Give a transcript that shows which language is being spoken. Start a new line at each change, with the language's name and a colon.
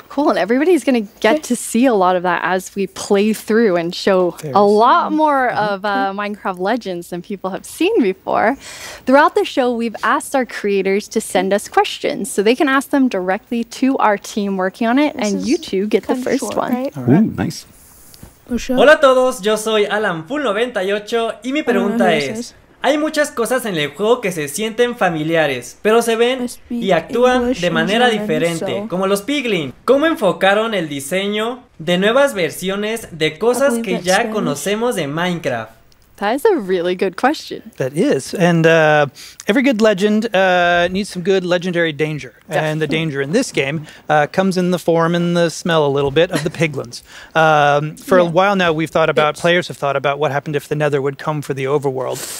English: Cool, and everybody's going to get to see a lot of that as we play through and show a lot more of Minecraft Legends than people have seen before. Throughout the show, we've asked our creators to send us questions, so they can ask them directly to our team working on it, this and you two get the first one. Right? Ooh, nice.
Spanish: Hola a todos, yo soy AlanFull98 y mi pregunta es, hay muchas cosas en el juego que se sienten familiares, pero se ven y actúan de manera diferente, como los Piglin. ¿Cómo enfocaron el diseño de nuevas versiones de cosas que ya conocemos de Minecraft?
English: That is a really good question. That is. And every good legend needs some good legendary danger. Definitely. And the danger in this game comes in the form and the smell a little bit of the piglins. For a while now, we've thought about, players have thought about what happened if the Nether would come for the overworld.